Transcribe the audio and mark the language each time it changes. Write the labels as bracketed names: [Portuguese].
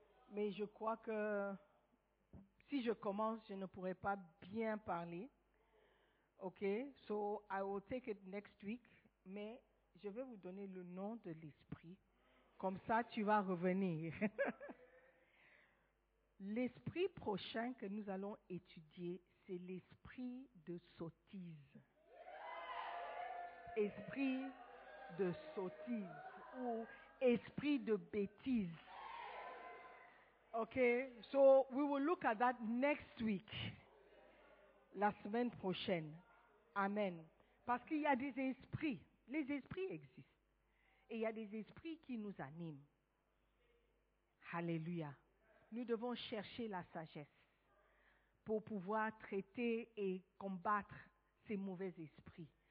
[French] Mais je crois que si je commence, je ne pourrai pas bien parler. OK? [English] So, I will take it next week. [French] Mais je vais vous donner le nom de l'esprit. Comme ça, tu vas revenir. L'esprit prochain que nous allons étudier, c'est l'esprit de sottise. Esprit de sottise ou esprit de bêtise. [English] OK, so we will look at that next week, [French] la semaine prochaine. [English] Amen. [French] Parce qu'il y a des esprits, les esprits existent. Et il y a des esprits qui nous animent. Alléluia. Nous devons chercher la sagesse pour pouvoir traiter et combattre ces mauvais esprits.